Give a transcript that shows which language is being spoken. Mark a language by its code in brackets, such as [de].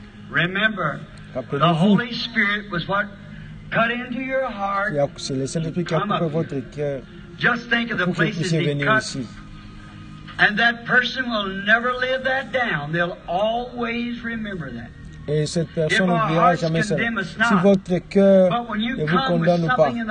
[en] Remember, the Holy Spirit was what cut into your heart. [fr] C'est le Saint-Esprit qui a coupé votre cœur. [en] Just think of the places he cut. And that person will never live that down. They'll always remember that. [fr] Et cette personne n'oubliera jamais ça. Si votre cœur ne vous condamne ou pas.